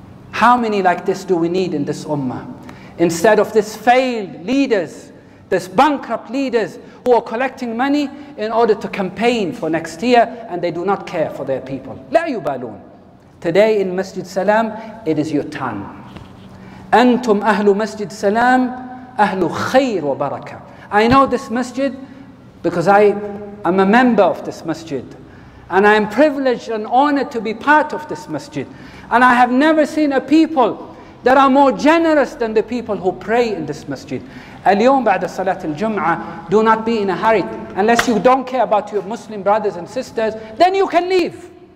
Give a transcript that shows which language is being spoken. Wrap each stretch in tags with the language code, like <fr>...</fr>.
<en>How many like this do we need in this ummah? Instead of this failed leaders, this bankrupt leaders who are collecting money in order to campaign for next year and they do not care for their people.</en> <ar>لا يبالون.</ar> <en>Today in Masjid Salam, it is your turn.</en> <ar>أنتم أهل مسجد سلام أهل خير وبركة.</ar> <en>I know this masjid because I am a member of this masjid. And I am privileged and honored to be part of this masjid. And I have never seen a people that are more generous than the people who pray in this masjid.</en> <ar>اليوم بعد صلاة الجمعة,</ar> <en>do not be in a hurry. Unless you don't care about your Muslim brothers and sisters, then you can leave.</en>